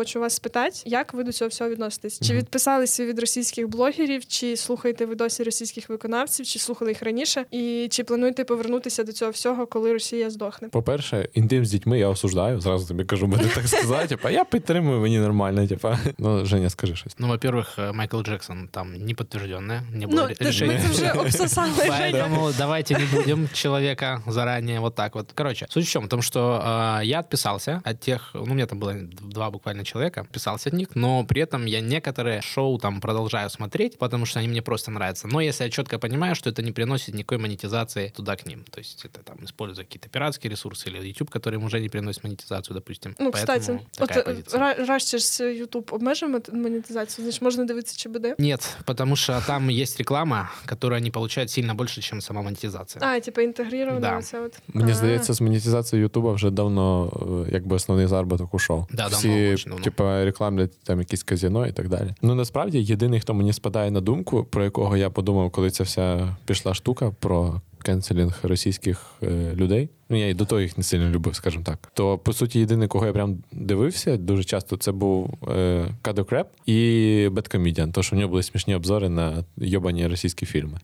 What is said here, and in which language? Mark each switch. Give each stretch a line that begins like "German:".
Ukrainian: Хочу вас спитати, як ви до цього всього відноситесь? Чи відписалися від російських блогерів, чи слухаєте ви досі російських виконавців, чи слухали їх раніше, і чи плануєте повернутися до цього всього, коли Росія здохне? По-перше, інтим з дітьми я осуждаю, зразу тобі кажу, буде так сказати, типа, я підтримую, мені нормально, типа. Ну, Женя, скажи щось. Ну,
Russian: во-первых,
Ukrainian: Майкл Джексон там не підтверджене, не було рішення. Ну, ми вже обсосали, Женя. Тому давайте не будемо чоловіка
Russian: заранее вот так вот. Короче,
Ukrainian: суть в чому, тому що
Russian: я отписался от тех, ну, у меня там было два буквально человека, отписался от них, но при этом я некоторые шоу там продолжаю смотреть, потому что они мне просто нравятся. Но если я четко понимаю, что это не приносит никакой монетизации туда к ним, то есть это там используя какие-то пиратские ресурсы или YouTube, которые им уже не приносят монетизацию, допустим. Ну, кстати, вот раньше с YouTube обмежим монетизацию, значит, можно дивиться ЧБД? Нет, потому что там есть реклама, которую они получают сильно больше, чем сама монетизация. А, типа интегрированная вся вот. Мне кажется, с монетизацией YouTube уже давно,
Ukrainian: якби основний заробіток ушов. Да, всі, типу, рекламлять там якісь казино і так далі. Ну, насправді, єдиний, хто мені спадає на думку, про якого я подумав, коли ця вся пішла штука про кенселінг російських людей, ну, я і до того їх не сильно любив, скажімо так, то, по суті, єдиний, кого я прям дивився дуже часто, це був Кадок Реп і Бед Комедіан, тому що в нього були смішні обзори на йобані російські фільми.